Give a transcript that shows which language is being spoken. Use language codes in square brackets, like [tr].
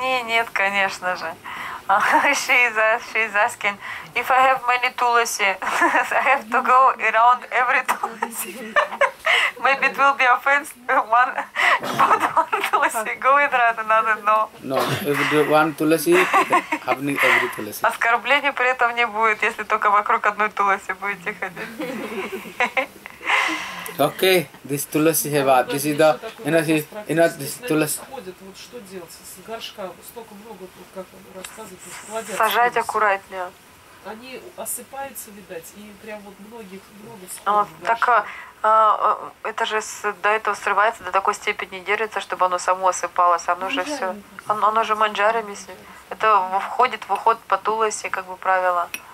[ru] Не, нет, конечно же. [en] She's asking, if I have many tulasi, I have to go around every tulasi. Maybe it will be offense if one put one tulasi, go with another, no. No, if you do one tulasi, happening every tulasi. [ru] Оскорблений при этом не будет, если только вокруг одной тулоси будете ходить. [en] Okay, this tulasi have a, this is the, you know, this tulasi. [ru] Вот что делать с горшка, столько много тут, как он рассказывает, сажать аккуратнее. Они осыпаются, видать, и прям вот многих, много сходит. Так, это же до этого срывается, до такой степени держится, чтобы оно само осыпалось, оно же все, оно же манджары, если это входит в уход по туласи, как бы правило.